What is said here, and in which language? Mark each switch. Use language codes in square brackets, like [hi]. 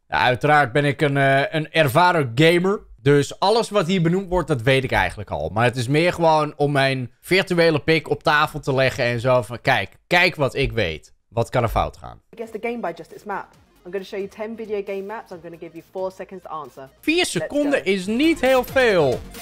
[nl] Ja, uiteraard ben ik een ervaren gamer, dus alles wat hier benoemd wordt, dat weet ik eigenlijk al. Maar het is meer gewoon om mijn virtuele pik op tafel te leggen en zo van kijk wat ik weet. Wat kan er fout gaan? [en] Ik guess the game by just its map. I'm going to show you 10 video game maps. I'm going to give you 4 seconds to answer. [nl] 4 seconden is niet heel veel.